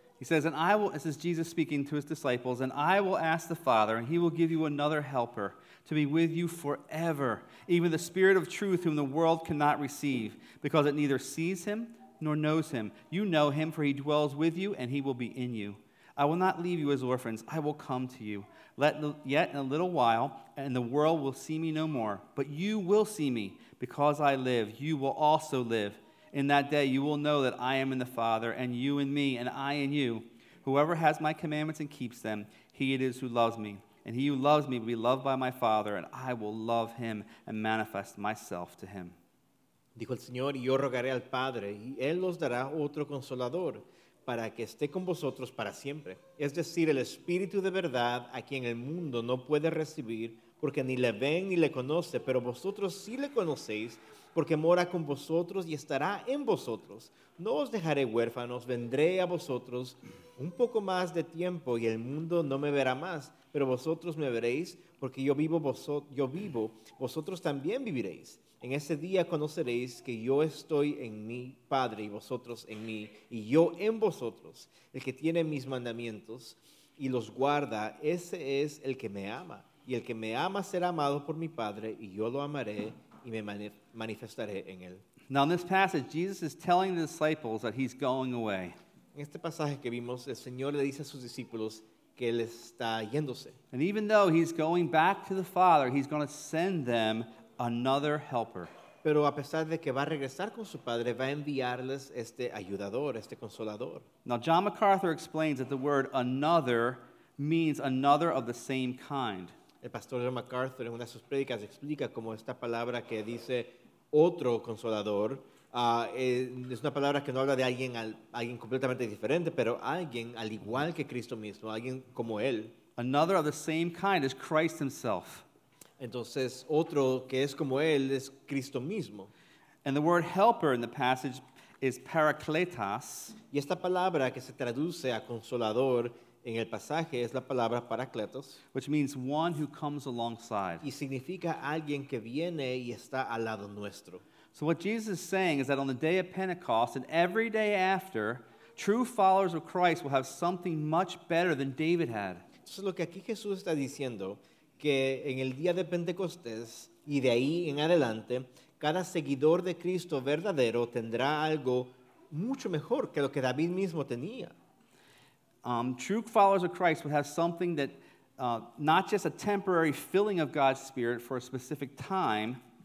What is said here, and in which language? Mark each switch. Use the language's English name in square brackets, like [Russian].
[English] He says, and I will, this is Jesus speaking to his disciples, and I will ask the Father, and he will give you another helper to be with you forever, even the Spirit of truth whom the world cannot receive, because it neither sees him nor knows him. You know him, for he dwells with you, and he will be in you. I will not leave you as orphans. I will come to you. Yet in a little while, and the world will see me no more, but you will see me, because I live, you will also live. In that day you will know that I am in the Father, and you in me, and I in you. Whoever has my commandments and keeps them, he it is who loves me. And he who loves me will be loved by my Father, and I will love him and manifest myself to him. [Spanish] Dijo el Señor, y yo rogaré al Padre, y él los dará otro consolador, para que esté con vosotros para siempre. Es decir, el Espíritu de verdad, a quien el mundo no puede recibir, porque ni le ven ni le conoce, pero vosotros sí le conocéis, porque mora con vosotros y estará en vosotros. No os dejaré huérfanos, vendré a vosotros un poco más de tiempo y el mundo no me verá más, pero vosotros me veréis, porque yo vivo, vosotros también viviréis. En ese día conoceréis que yo estoy en mi Padre y vosotros en mí, y yo en vosotros. El que tiene mis mandamientos y los guarda, ese es el que me ama. Y el que me ama será amado por mi Padre, y yo lo amaré y me manifestaré en él. [English] Now in this passage, Jesus is telling the disciples that he's going away. [Spanish] En este pasaje que vimos, el Señor le dice a sus discípulos que él está yéndose. [English] And even though he's going back to the Father, he's going to send them another helper. [Spanish] Pero a pesar de que va a regresar con su Padre, va a enviarles este ayudador, este consolador. [English] Now John MacArthur explains that the word another means another of the same kind. [Spanish] El pastor John MacArthur en una de sus predicas explica cómo esta palabra que dice otro consolador es una palabra que no habla de alguien completamente diferente, pero alguien al igual que Cristo mismo, alguien como él. [English] Another of the same kind is Christ himself. [Spanish] Entonces, otro que es como él es Cristo mismo. [English] And the word helper in the passage is parakletos. [Spanish] Y esta palabra que se traduce a consolador en el pasaje es la palabra parakletos, [English] which means one who comes alongside. [Spanish] Y significa alguien que viene y está al lado nuestro. [English] So what Jesus is saying is that on the day of Pentecost and every day after, true followers of Christ will have something much better than David had. [Spanish] Entonces lo que aquí Jesús está diciendo, que en el día de Pentecostés y de ahí en adelante, cada seguidor de Cristo verdadero tendrá algo mucho mejor que lo que David mismo tenía. [English] True followers of Christ would have something that not just a temporary filling of God's Spirit for a specific time.